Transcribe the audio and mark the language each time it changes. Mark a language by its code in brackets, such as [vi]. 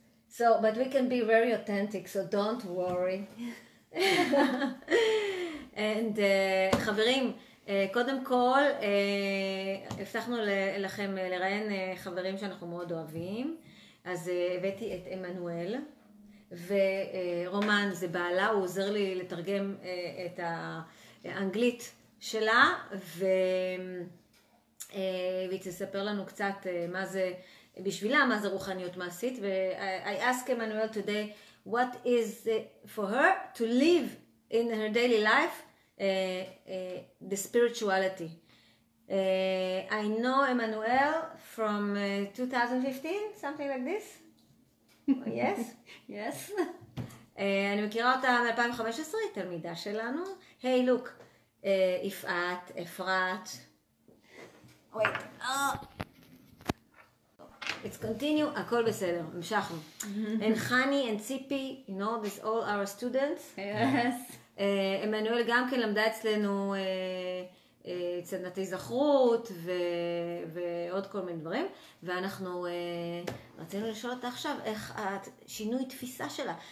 [en] So, but we can be very authentic, so don't worry. [he] And חברים, קודם כל, הבטחנו לכם לראיין חברים שאנחנו מאוד אוהבים. אז הבאתי את אמנואל, ורומן זה בעלה, הוא עוזר לי לתרגם את האנגלית שלה, והיא תספר לנו קצת מה זה בשבילה, מה זה רוחניות מעשית. [en] I ask אמנואל today, what is for her to live in her daily life? The spirituality. I know Emmanuel from 2015, something like this. Yes, yes. [he] אני מכירה אותה מ-2015, תלמידה שלנו. [en] Hey, look, יפעת, אפרת. Wait. Let's continue. [he] הכל בסדר. המשכנו. [en] And Hani and Tzipi, you know, this all our students. Yes. [he] אמנואל גם כן למדה אצלנו צדנתי זכרות ועוד כל מיני דברים, ואנחנו רצינו לשאול אותה עכשיו איך השינוי תפיסה שלה.